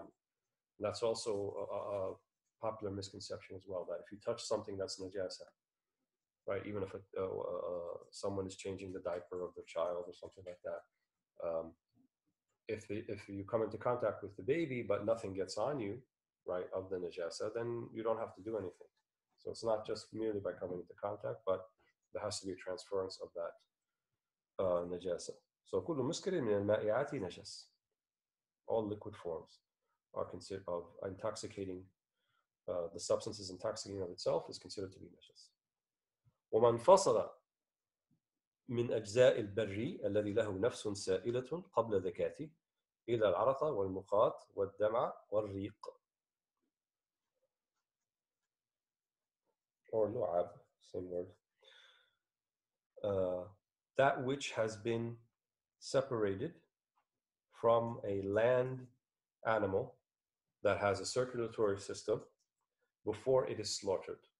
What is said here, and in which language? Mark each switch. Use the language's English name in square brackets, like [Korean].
[English] And that's also a popular misconception as well, that if you touch something that's najasa, right, even if someone is changing the diaper of their child or something like that, if you come into contact with the baby but nothing gets on you, right, of the najasa, then you don't have to do anything. So it's not just merely by coming into contact, but there has to be a transference of that najasa. [Arabic] So كل مسكر من المائعات نجس. [English] All liquid forms are considered of intoxicating. The substance is intoxicating of itself is considered to be najas. [Arabic] ومن فصل من أجزاء البري الذي له نفس سائلة قبل ذكاته إلى العرق والمقاط والدمع والريق or لعاب, [English] same word. That which has been separated from a land animal that has a circulatory system before it is slaughtered.